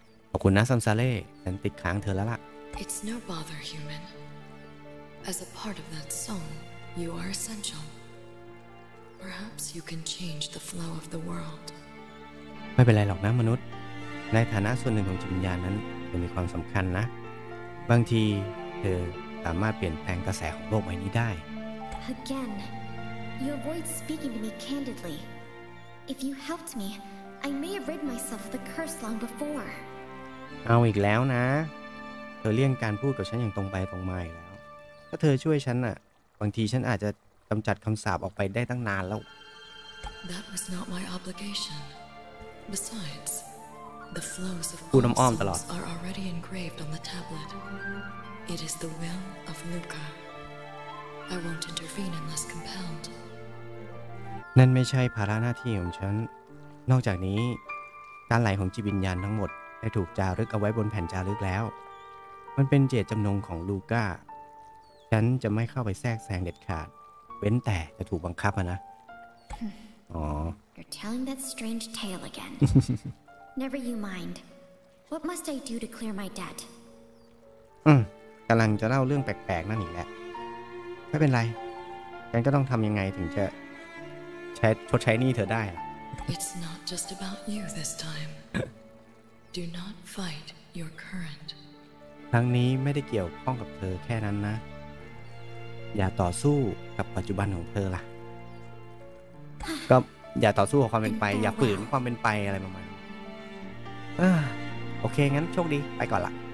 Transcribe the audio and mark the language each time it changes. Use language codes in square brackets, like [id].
[th] ขอบคุณนะ Samsari. ฉันติดค้างเธอแล้วล่ะ [en] It's no bother, human. As a part of that song, you are essential. Perhaps you can change the flow of the world. [th] ไม่เป็นไรหรอกนะมนุษย์ในฐานะส่วนหนึ่งของจิตวิญญาณนั้นจะมีความสำคัญนะบางทีเธอสามารถเปลี่ยนแปลงกระแสของโลกใบนี้ได้ [en] Again, you avoid speaking to me candidly. If you helped me, I may have rid myself of the curse long before. [th] เอาอีกแล้วนะเธอเลี่ยงการพูดกับฉันอย่างตรงไปตรงมาแล้วถ้าเธอช่วยฉันน่ะบางทีฉันอาจจะกำจัดคำสาปออกไปได้ตั้งนานแล้ว [en] That was not my obligation. Besides, the flows of souls are already engraved on the tablet. It is the will of Luca. I won't intervene unless compelled. [th] นั่นไม่ใช่ภาระหน้าที่ของฉันนอกจากนี้การไหลของจิตวิญญาณทั้งหมดได้ถูกจารึกเอาไว้บนแผ่นจารึกแล้วมันเป็นเจตจำนงของลูก้าฉันจะไม่เข้าไปแทรกแซงเด็ดขาดเว้นแต่จะถูกบังคับนะอ๋อ [en] You're telling that strange tale again Never you mind What must I do to clear my debt [th] กำลังจะเล่าเรื่องแปลกๆนั่นอีกแหละไม่เป็นไรฉันก็ต้องทำยังไงถึงจะใช้ชดใช้นี่เธอได้ [en] It's not just about you this time. Do not fight your current. [th] ครั้งนี้ไม่ได้เกี่ยวข้องกับเธอแค่นั้นนะอย่าต่อสู้กับปัจจุบันของเธอล่ะก็อย่าต่อสู้กับความเป็นไปอย่าฝืนความเป็นไปอะไรประมาณนั้นโอเคงั้นโชคดีไปก่อนล่ะ